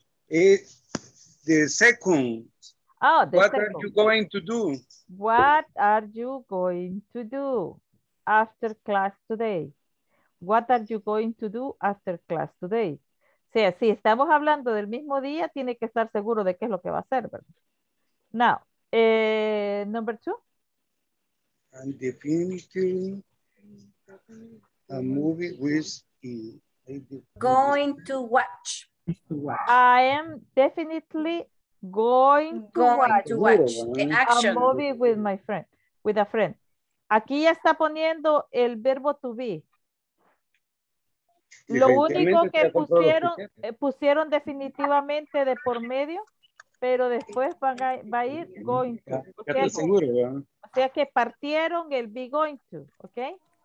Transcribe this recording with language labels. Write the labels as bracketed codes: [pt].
[en] The second. Oh, are you going to do? What are you going to do after class today? What are you going to do after class today? [es] O sea, si estamos hablando del mismo día, tiene que estar seguro de qué es lo que va a hacer, ¿verdad? [en] Now, number two. I'm definitely a movie with going to watch. I am definitely going to watch the action. A movie with my friend, with a friend. [es] Aquí ya está poniendo el verbo to be. Lo único que pusieron definitivamente de por medio, pero después va a ir going to. Okay? Ya estoy seguro, ¿verdad? O sea que partieron el be going to, ¿ok?